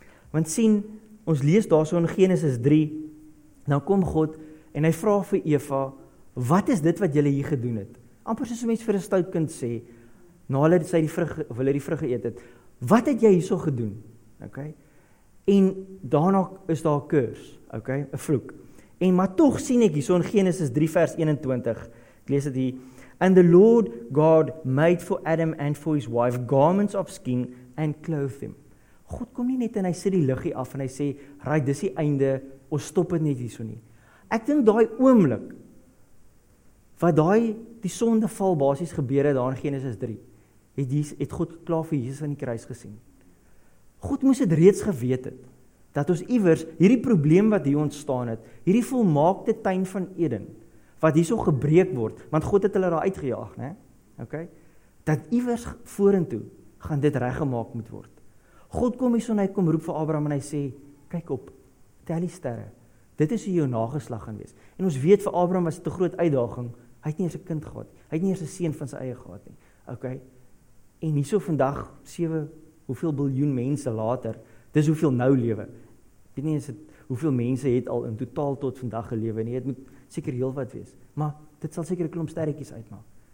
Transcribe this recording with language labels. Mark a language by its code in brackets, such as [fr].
[af] Want sien, ons lees daarso in Genesis 3, nou kom God en hy vra vir Eva, "Wat is dit wat julle hier gedoen het?" Amper soos 'n mens vir 'n stout kind sê, na hulle sy die vrug of hulle die vrug geëet het, "Wat het jy hierso gedoen?" OK? En daarna is daar 'n kurs, OK, 'n vloek. En maar tog sien ek hierso in Genesis 3 vers 21. Ek lees dit hier. [en] And the Lord God made for Adam and for his wife garments of skin and clothed them. [af] God kom nie net en hy sit die liggie af en hy sê, "Right, dis die einde, ons stop dit net hierso nie." Ek dink daai oomblik wat daai die sondeval basies gebeur het daar in Genesis 3, het God klaar vir Jesus aan die kruis gesien. God moes het reeds geweet het, dat ons iewers hierdie probleem wat hier ontstaan het, hierdie volmaakte tuin van Eden, wat hier so gebreek word, want God het hulle daar uitgejaag, ne? Okay? Dat iewers vorentoe gaan dit reggemaak moet word. God kom hier so en hy kom roep vir Abraham en hy sê, kyk op, tel die sterre, dit is hoe jou nageslag gaan wees. En ons weet vir Abraham was dit 'n groot uitdaging, hy het nie eers 'n kind gehad, hy het nie eers 'n seun van sy eie gehad nie. Okay? En hier so vandag, 7, hoeveel biljoen mense later, dis hoeveel nou lewe. Ek weet nie eens hoeveel mense het al in totaal tot vandag gelewe nie, het moet seker heel wat wees. Maar dit sal seker 'n klomp sterretjies uitmaak.